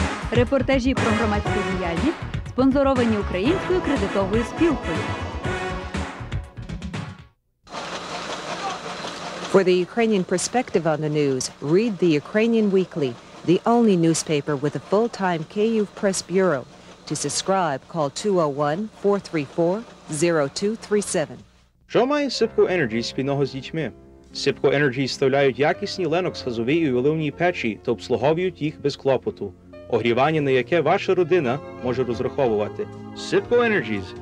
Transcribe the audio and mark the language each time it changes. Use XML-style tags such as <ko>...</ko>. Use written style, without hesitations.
<uk>Репортажі про громадську діяльність спонсоровані Українською кредитовою спілкою.</uk> <en>For the Ukrainian perspective on the news, read the Ukrainian Weekly, the only newspaper with a full-time Kyiv Press Bureau. To subscribe, call 201-434-0237.</en> <uk>Що має Сипко Енерджі спільного з дітьми? Сипко Енерджі вставляють якісні Lennox-газові і оливні печі та обслуговують їх без клопоту. Огрівання, на яке ваша родина може розраховувати. Сипко Енерджіз.</uk>